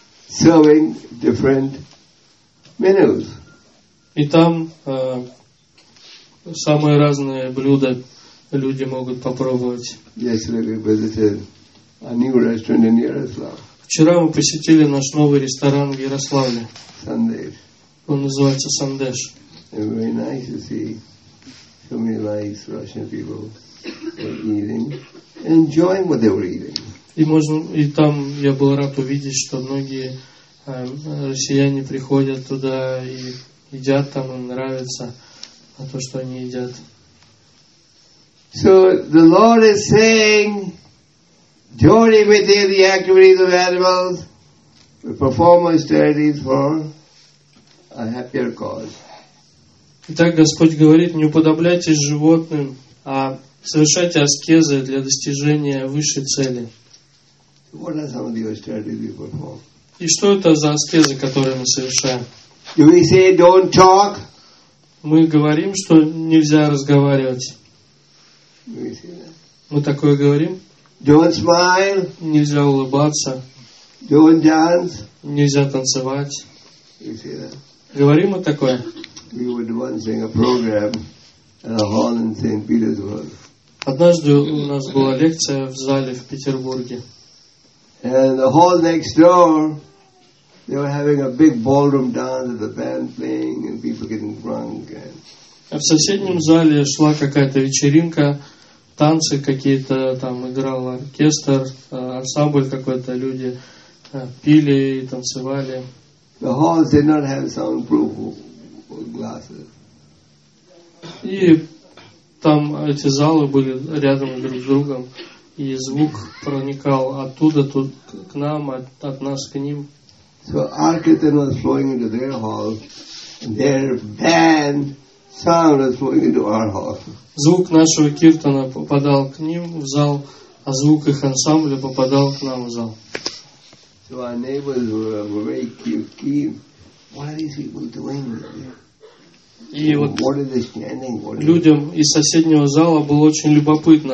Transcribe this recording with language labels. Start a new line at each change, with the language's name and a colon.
English: Serving different menus.
Russian: И там самые разные блюда люди могут попробовать.
English: Yesterday we visited a new restaurant in Yaroslav.
Russian: Вчера мы посетили наш новый ресторан в Ярославле.
English: Sandesh.
Russian: Он называется Sandesh.
English: It's very nice to see so many nice Russian people eating, enjoying what they were eating.
Russian: И там я был рад увидеть, что многие россияне приходят туда и едят там, им нравится на то, что они едят.
English: So the Lord is saying, don't imitate the activities of animals, but perform austerities for a happier cause.
Russian: Итак, Господь говорит, не уподобляйтесь животным, а совершайте аскезы для достижения высшей цели.
English: What are some of the austerities we perform?
Russian: И что это за аскезы, которые мы совершаем?
English: Do we say don't talk?
Russian: Мы говорим, что нельзя разговаривать.
English: Do we say that?
Russian: Мы такое говорим?
English: Don't smile.
Russian: Нельзя улыбаться.
English: Don't dance.
Russian: Нельзя танцевать.
English: Do we say that?
Russian: Говорим мы такое?
English: We were doing a program at a hall in St. Petersburg.
Russian: Однажды у нас была лекция в зале в Петербурге.
English: And the hall next door, they were having a big ballroom dance with the band playing and people getting drunk.
Russian: А в соседнем зале шла какая-то вечеринка, танцы какие-то, там играл оркестр, ансамбль какой-то, люди пили и танцевали.
English: The hall did not have soundproof glasses.
Russian: И там эти залы были рядом друг с другом. И звук проникал оттуда тут к нам, от нас к ним.
English: So Arkirtan was flowing into their hall, and their band sound was flowing into our hall.
Russian: Звук нашего киртана попадал к ним в зал, а звук их ансамбля попадал к нам в зал.
English: So our neighbors were very keen. What are these people doing here?
Russian: И вот людям из соседнего зала было очень любопытно.